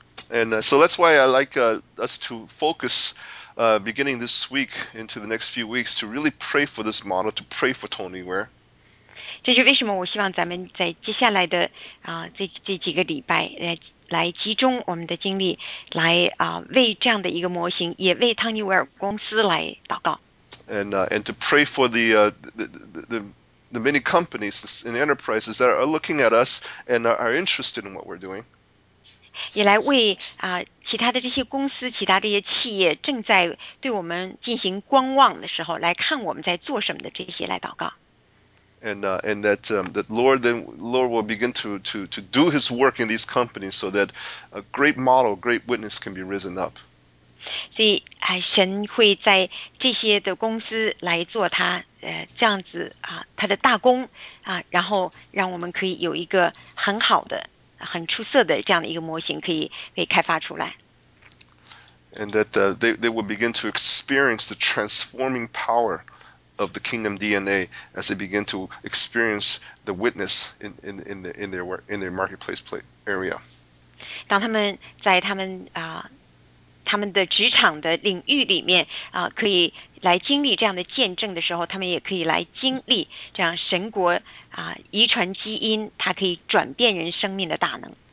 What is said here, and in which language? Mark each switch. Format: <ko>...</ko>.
<en>And so that's why I like us to focus beginning this week into the next few weeks to really pray for this model, to pray for Tony Ware.</en> <zh>这就是为什么我希望咱们在接下来的这几个礼拜来集中我们的精力来为这样的一个模型，也为汤尼维尔公司来祷告。</zh> <en>And to pray for the many companies and enterprises that are looking at us and are interested in what we're doing.</en> <zh>也来为其他的这些公司，其他的这些企业正在对我们进行观望的时候，来看我们在做什么的这些来祷告。</zh> <en>And that that Lord then Lord will begin to do His work in these companies so that a great model, great witness can be risen up.</en> <zh>所以神会在这些的公司来做他这样子他的大功然后让我们可以有一个很好的、很出色的这样的一个模型可以开发出来。</zh> <en>And that they will begin to experience the transforming power. Of the kingdom DNA as they begin to experience the witness in their marketplace area.</en> <zh>当他们在他们的职场的领域里面可以来经历这样的见证的时候，他们也可以来经历这样神国遗传基因，它可以转变人生命的大能。</zh>